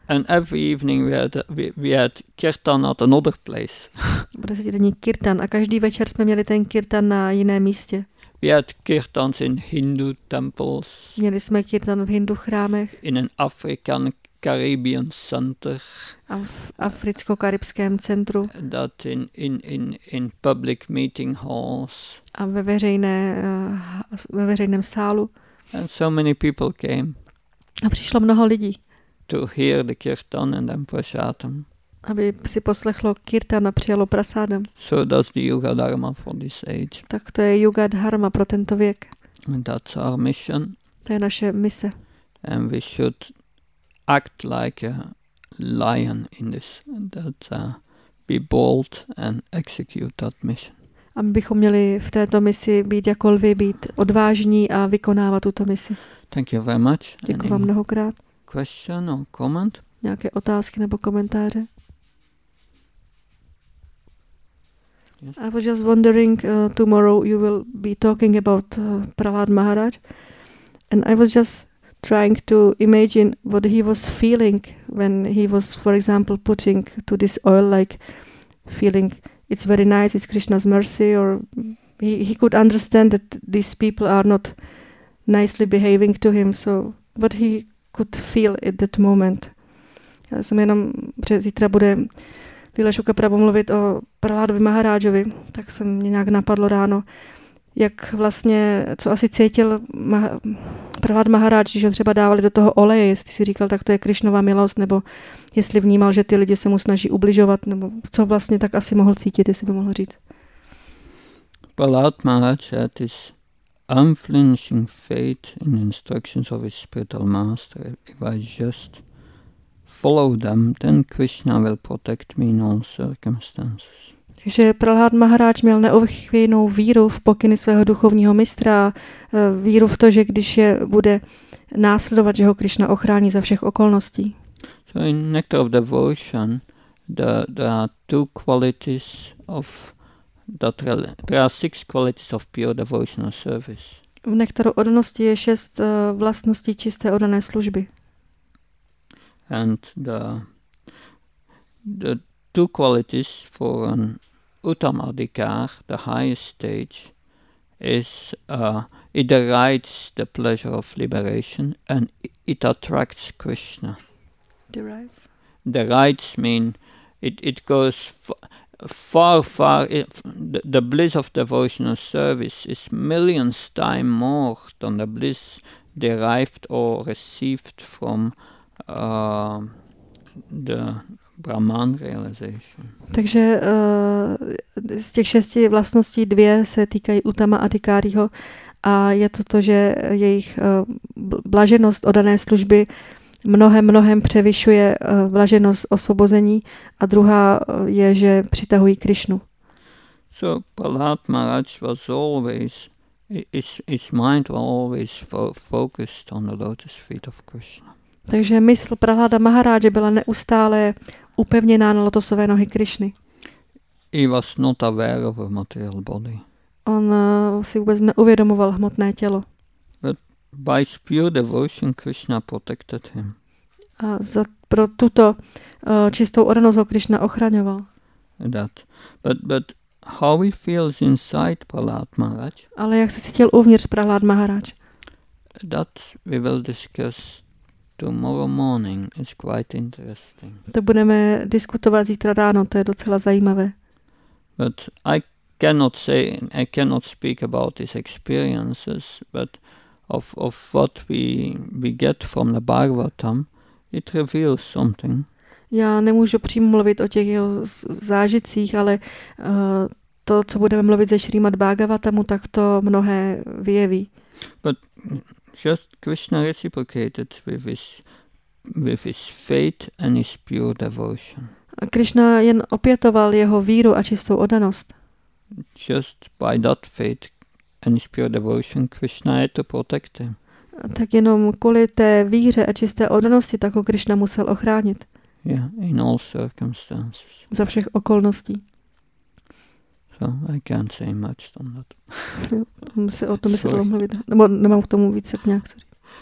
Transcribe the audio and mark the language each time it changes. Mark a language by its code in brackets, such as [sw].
[en] And every evening we had kirtan at another place. [cs] 10denní kirtan a každý večer jsme měli ten kirtan na jiném místě. [en] We had kirtans in Hindu temples. [cs] Měli jsme kirtan v hindu chrámech. [en] In an African Caribbean center. [cs] A v africko-karibském centru. [en] That in public meeting halls. [cs] A ve veřejném sálu. [en] And so many people came. [cs] A přišlo mnoho lidí. [en] To hear the kirtan and then prasadam. [cs] Aby si poslechlo kirtan a přijalo prasadam. [en] So that's the yuga dharma for this age. [cs] Tak to je yuga dharma pro tento věk. [en] And that's our mission. [cs] To je naše mise. [en] And we should act like a lion in this, that be bold and execute that mission. [cs] Abychom měli v této misi být jako lvi, být odvážní a vykonávat tuto misi. [en] Thank you very much. [cs] Děkuji vám mnohokrát. [en] Question or comment? [cs] Nějaké otázky nebo komentáře? [en] Yes. I was just wondering, tomorrow you will be talking about Prahlad Maharaj, and I was just trying to imagine what he was feeling when he was, for example, putting to this oil, like feeling it's very nice, it's Krishna's mercy, or he could understand that these people are not nicely behaving to him. So what he could feel at that moment. [cs] Já jsem jenom, že zítra bude Lila Šuka Prabhu mluvit o Prahládovi Maharádžovi, tak se mě nějak napadlo ráno, jak vlastně, co asi cítil Prahlád Maharáč, když ho třeba dávali do toho oleje, jestli si říkal, tak to je Krišnova milost, nebo jestli vnímal, že ty lidi se mu snaží ubližovat, nebo co vlastně tak asi mohl cítit, jestli by mohl říct. [en] Prahlád Maharáč had his unflinching faith in instructions of his spiritual master. If I just follow them, then Krishna will protect me in all circumstances. [cs] Že Prahlád Maharáč měl neochvějnou víru v pokyny svého duchovního mistra, víru v to, že když je bude následovat, že ho Krišna ochrání za všech okolností. [en] So in Nectar of Devotion, there are two qualities of that there are six qualities of pure devotional service. [cs] V Nektaru oddanosti je šest vlastností čisté oddané služby. [en] And the two qualities for an Uttam Adhikar, the highest stage, is it derides the pleasure of liberation and it attracts Krishna. Derides? Derides mean it goes far, the bliss of devotional service is millions times more than the bliss derived or received from the Brahman realization. [cs] Takže z těch šesti vlastností dvě se týkají Uttama Adhikáriho a je to to, že jejich blaženost oddané služby mnohem převyšuje blaženost osvobození a druhá je, že přitahují Krišnu. [en] So Prahlád Maharaj was always his mind was always focused on the lotus feet of Krishna. [cs] Takže mysl Prahláda Maharáže byla neustále upevněná na lotosové nohy Krišny. [en] He was not aware of a material body. [cs] On si vůbec neuvědomoval hmotné tělo. [en] But by his pure devotion, Krishna protected him. [cs] A za pro tuto čistou oddanost ho Krišna ochraňoval. [en] That. But how he feels inside Prahlád Maharaj? [cs] Ale jak se cítil uvnitř Prahlád Maharaj? [en] That we will discuss tomorrow morning is quite interesting. [cs] To budeme diskutovat zítra ráno, to je docela zajímavé. [en] But I cannot speak about these experiences, but of what we get from the Bhagavatam, it reveals something. [cs] Já nemůžu přímo mluvit o těch jeho zážitcích, ale to, co budeme mluvit ze Šrýmad Bhagavatamu, tak to mnohé vyjeví. [en] But just Krishna reciprocated with his faith and his pure devotion. [cs] Krishna jen opětoval jeho víru a čistou oddanost. [en] just by that faith and his pure devotion, Krishna had to protect him. [cs] Tak jenom kvůli té víře a čisté oddanosti, tak ho Krishna musel ochránit. [en] Yeah, in all circumstances. [cs] Za všech okolností. [en] So I can't say much on that. [cs] Musím o tom myslet omluvit. Nebo nemám k tomu více nějak co říct.